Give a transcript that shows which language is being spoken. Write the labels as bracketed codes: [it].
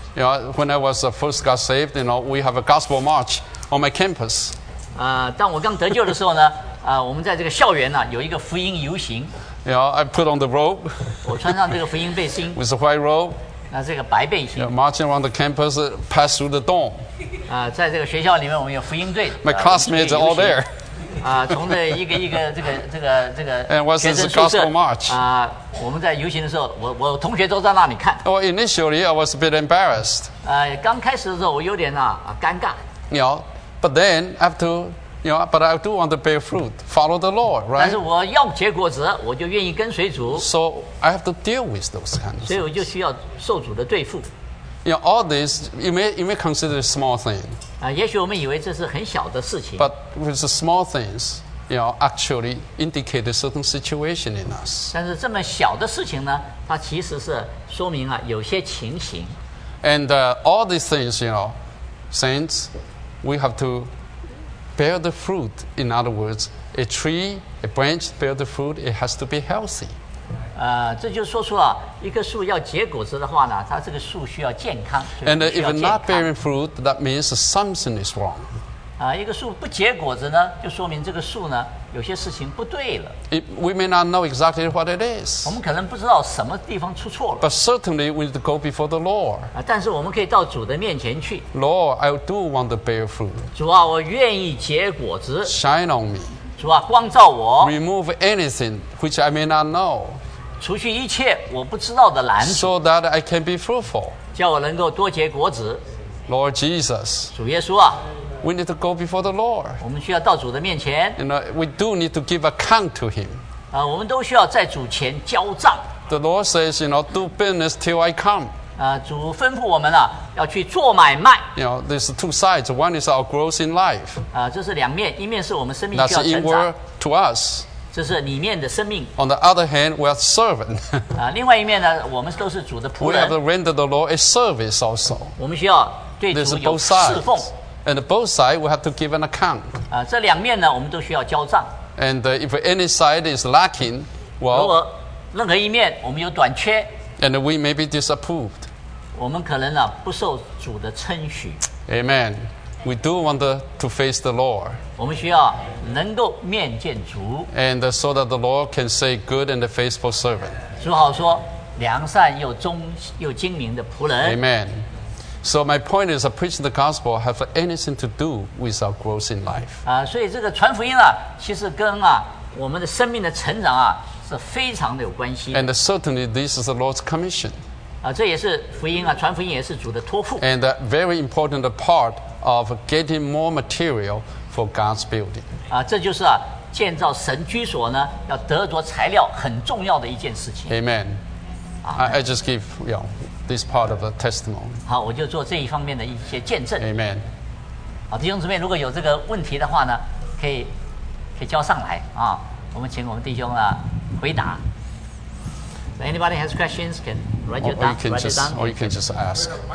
[en] You know, when I was first got saved you know, we have a gospel march on my campus [zh] 当我刚得救的时候呢我们在这个校园呢、有一个福音游行。 [en] You know, I put on the robe. [zh] 我穿上这个福音背心。 [en] With a white robe. [zh] 那这个白背心。 [en] You know, marching around the campus, pass through the dorm. [zh] 在这个学校里面，我们有福音队。 [en] My classmates are all there. [zh] 从这一个一个这个 [en] And what's this gospel march? [zh] 我们在游行的时候，我同学都在那里看。 [en] Well, initially, I was a bit embarrassed. [zh] 刚开始的时候，我有点尴尬。 [en] You know, but then after. You know, but I do want to bear fruit, follow the Lord, right? [zh] 但是我要结果子，我就愿意跟随主。 [en] So I have to deal with those kinds of things. [zh] 所以我就需要受主的对付。 [en] You know, all this, you may consider a small thing. [zh] 也许我们以为这是很小的事情。 [en] But with the small things, you know, actually indicate a certain situation in us. [zh] 但是这么小的事情呢，它其实是说明有些情形。 [en] And all these things, you know, saints, we have to. Bear the fruit, in other words, a tree, a branch bear the fruit, it has to be healthy. [zh] 这就说出一棵树要结果子的话呢，它这个树需要健康。 [en] And if not bearing fruit, that means something is wrong. [zh] 一个树不结果子呢，就说明这个树呢，有些事情不对了。 [en] We may not know exactly what it is. [zh] 我们可能不知道什么地方出错了。 [en] But certainly we need to go before the Lord. [zh] 但是我们可以到主的面前去。 [en] Lord, I do want to bear fruit. [zh] 主啊，我愿意结果子。 [en] Shine on me. [zh] 主啊，光照我。 [en] Remove anything which I may not know. [zh] 除去一切我不知道的拦阻。 [en] So that I can be fruitful. [zh] 叫我能够多结果子。 [en] Lord Jesus. [zh] 主耶稣啊。 [en] We need to go before the Lord. [zh] 我们需要到主的面前。 [en] You know, we do need to give account to Him. [zh] 啊，我们都需要在主前交账。 [en] The Lord says, you know, do business till I come. [zh] 啊，主吩咐我们了，要去做买卖。 [en] You know, there's two sides. One is our growth in life. [zh] 啊，这是两面，一面是我们生命需要成长。 [en] That's inward to us. [zh] 这是里面的生命。 [en] On the other hand, we are servant. [zh] 另外一面呢，我们都是主的仆人。 [en] We have to render the Lord a service also. [zh] 我们需要对主有侍奉。 [en] There's both sides. And both sides, we have to give an account. [zh] 这两面呢，我们都需要交账。 [en] And if any side is lacking, well, [zh] 如果任何一面我们有短缺。 [en] And we may be disapproved. [zh] 我们可能呢，不受主的称许。 [en] Amen. We do want to face the Lord. [zh] 我们需要能够面见主 [en] and so that the Lord can say good and faithful servant [zh] 主好说良善又忠又精明的仆人 [en] Amen So my point is preaching the gospel have anything to do with our growth in life [zh] 所以这个传福音其实跟我们的生命的成长是非常的有关系 [en] and certainly this is the Lord's commission [zh] 这也是福音传福音也是主的托付 [en] and a very important part of getting more materialFor God's building. [zh] 这就是建造神居所呢，要得着材料很重要的一件事情。 [en] Amen. I just give you know, this part of the testimony. [zh] 好，我就做这一方面的一些见证。 [en] Amen. [zh] 好，弟兄姊妹，如果有这个问题的话呢，可以交上来啊。我们请我们弟兄回答。 [en] So、anybody has questions? Can write your down. Or you can just ask.